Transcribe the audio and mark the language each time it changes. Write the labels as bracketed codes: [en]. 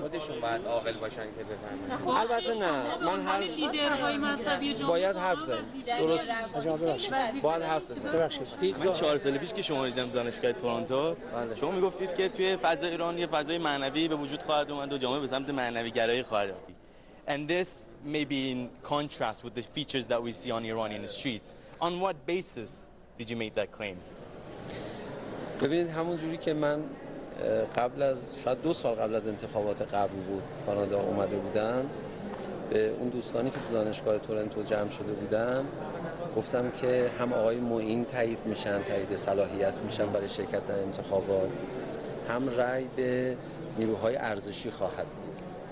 [fa] خودشون باید عاقل باشن که بفهمن. البته نه، من هر لیدرهای مذهبی جمهوری باید حرف بزنم. درست باید حرف بزنم. ببخشید. من 4 سال پیش که شما دیدم دانشگاه تورنتو، شما میگفتید که توی فضا ایران یه فضای معنوی به وجود خواهد اومد و جامعه به سمت معنوی گرایی خواهد رفت. [en] And this may be in contrast with the features that we see on Iranian streets. On what basis did you make that claim? [fa] ببینید همون جوری که من قبل از شاید 2 سال قبل از انتخابات قبل بود کانادا اومده بودم، به اون دوستانی که تو دانشگاه تورنتو جمع شده بودم گفتم که هم آقای معین تایید میشن، تایید صلاحیت میشن برای شرکت در انتخابات، هم رأی به نیروهای ارزشی خواهد بود.